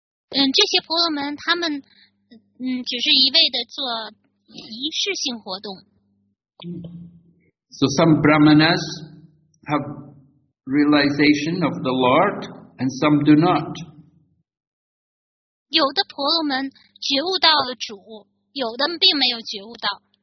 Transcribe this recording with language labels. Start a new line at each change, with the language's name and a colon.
Chinese: 这些婆罗门他们只是一味的做仪式性活动。
English: So some Brahmanas have realization of the Lord and some do not.
Chinese: 有的婆罗门觉悟到了主，有的并没有觉悟到。